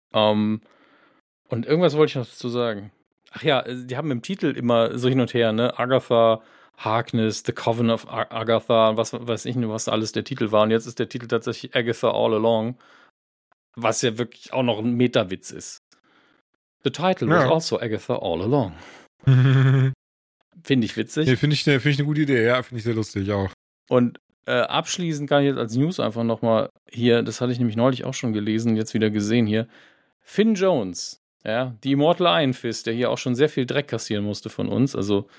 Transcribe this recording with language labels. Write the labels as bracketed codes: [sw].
[de] Und irgendwas wollte ich noch dazu sagen. Ach ja, die haben im Titel immer so hin und her, ne? Agatha, Harkness, The Coven of Agatha, was weiß ich nur, was alles der Titel war. Und jetzt ist der Titel tatsächlich Agatha All Along. Was ja wirklich auch noch ein Meta-Witz ist. [en] The title was also Agatha All Along. [de] Finde ich witzig. Nee, finde ich eine gute Idee, ja, finde ich sehr lustig auch. Und abschließend kann ich jetzt als News einfach nochmal hier, das hatte ich nämlich neulich auch schon gelesen, jetzt wieder gesehen hier, Finn Jones, ja, die Immortal Iron Fist, der hier auch schon sehr viel Dreck kassieren musste von uns, also,